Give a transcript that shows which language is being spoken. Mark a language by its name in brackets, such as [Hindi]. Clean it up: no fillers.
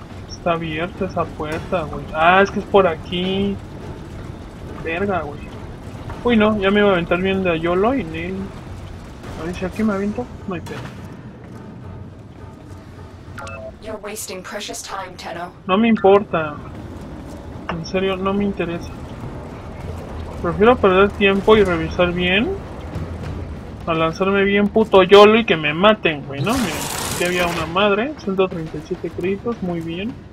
[Spanish] Está abierta esa puerta, güey. Ah, es que es por aquí. Verga, güey. Uy, no, ya me iba a aventar bien de Ayolo y Neil. A ver si aquí me aviento, no hay pena. [English] You're wasting precious time, Tenno. [Spanish] No me importa. En serio, no me interesa. Prefiero perder tiempo y revisar bien a lanzarme bien puto YOLO y que me maten, güey, ¿no? Mira, aquí había una madre, 137 créditos, muy bien.